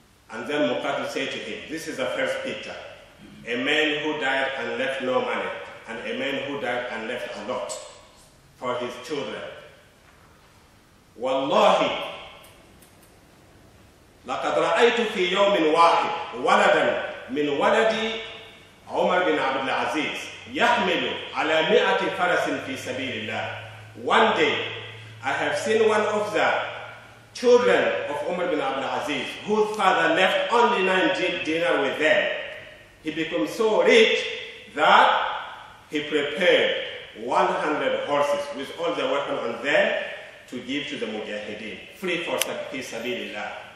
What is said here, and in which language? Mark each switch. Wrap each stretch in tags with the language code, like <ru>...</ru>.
<en>And then Muqatil said to him, this is the first picture. A man who died and left no money, and a man who died and left a lot for his children. Wallahi,</en> <ar>لقد رأيت في يوم واحد ولدا من ولدي عمر بن عبد العزيز يحمل على 100 فرس في سبيل الله.</ar> <en>One day, I have seen one of the children of Umar bin Abdul Aziz, whose father left only 19 dinar with them. He became so rich that he prepared 100 horses with all the weapons on them to give to the Mujahideen, free for sabilillah.</en>